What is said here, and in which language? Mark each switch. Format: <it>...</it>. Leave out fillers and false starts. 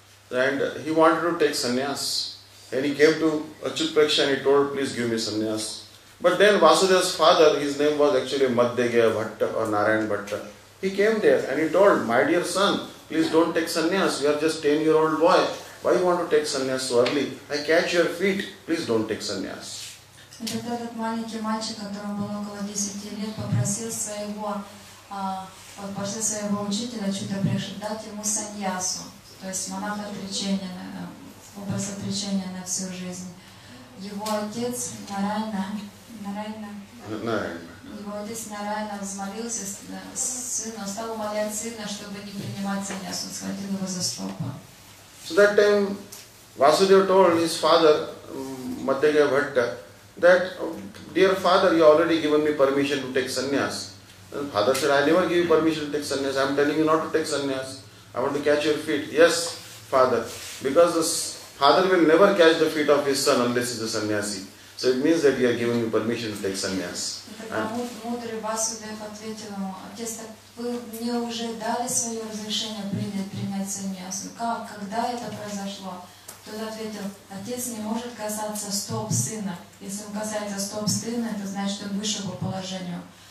<en>And he wanted to take sannyas. And he came to Achyut Prakash and he told, please give me sannyas. But then Vasudev's father, his name was actually Madhyagya Bhatta or Narayan Bhatta. He came there and he told, my dear son, please don't take sannyas. You are just 10-year-old boy. Why you want to take sannyas so early? I catch your feet. Please don't take sannyas.</en> <ru>And тогда этот маленький мальчик, которому было около 10 лет, попросил своего, попросил своего учителя Ачюта Прекшу дать ему саньясу, то есть монах отречения, образ отречения на всю жизнь. Его отец Нарайна взмолился сыну, стал умолять сына, чтобы не принимать саньясу, схватил его за стопу.</ru> <en>So that time Vasudev told his father, Madhyagya Bhatta, that, dear father, you already given me permission to take sannyas. And father said, I never give you permission to take sannyas. I am telling you not to take sannyas. I want to catch your feet. Yes, father. Because the father will never catch the feet of his son unless he is a sannyasi. So it means that you are giving me permission to take sannyas.</en> <ru>Мудрый Васудев ответил ему, отец, так вы мне уже дали свое разрешение принять саньясу. Как, когда это произошло? Тот ответил, отец не может касаться стоп сына. Если он касается стоп сына, это значит, что он выше по положению.</ru>